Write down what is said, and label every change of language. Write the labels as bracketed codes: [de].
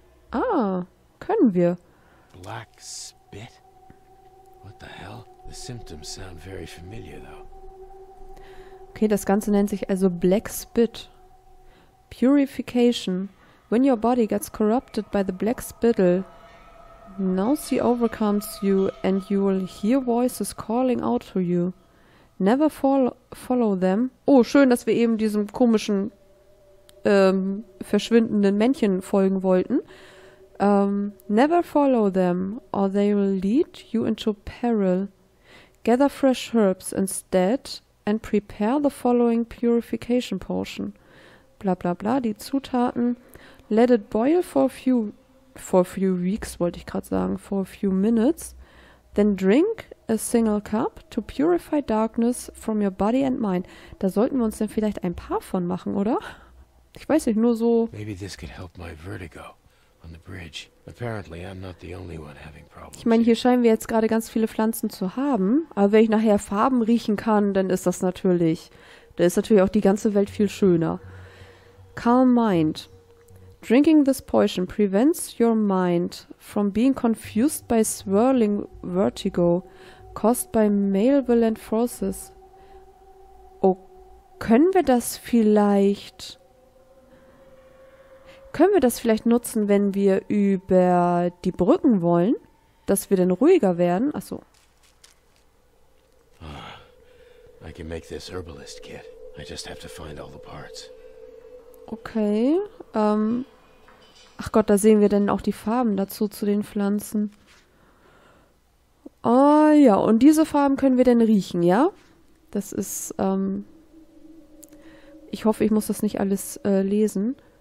[de] Ah, können wir. [en] Black spit? What the hell? The symptoms sound very familiar, though. [de] Okay, das Ganze nennt sich also Black Spit. [en] Purification. When your body gets corrupted by the black spittle, now she overcomes you and you will hear voices calling out to you. Never follow them. [de] Oh, schön, dass wir eben diesem komischen verschwindenden Männchen folgen wollten. [en] Never follow them or they will lead you into peril. Gather fresh herbs instead and prepare the following purification potion. [de] Bla bla bla, die Zutaten. [en] Let it boil for a few weeks, [de] wollte ich gerade sagen, [en] for a few minutes. Then drink a single cup to purify darkness from your body and mind. [de] Da sollten wir uns denn vielleicht ein paar von machen, oder? Ich weiß nicht, nur so. [en] Maybe this could help my vertigo on the bridge. Apparently I'm not the only one having problems. [de] Ich meine, hier scheinen wir jetzt gerade ganz viele Pflanzen zu haben. Aber wenn ich nachher Farben riechen kann, dann ist das natürlich Da ist natürlich auch die ganze Welt viel schöner. [en] Calm mind. Drinking this potion prevents your mind from being confused by swirling vertigo caused by malevolent forces. [de] Oh, können wir das vielleicht... Können wir das vielleicht nutzen, wenn wir über die Brücken wollen, dass wir dann ruhiger werden? Achso. [en] I can make this herbalist kit. I just have to find all the parts. Okay. [de] Ach Gott, da sehen wir dann auch die Farben dazu zu den Pflanzen. Oh ja, und diese Farben können wir dann riechen, ja? Das ist, ich hoffe, ich muss das nicht alles lesen.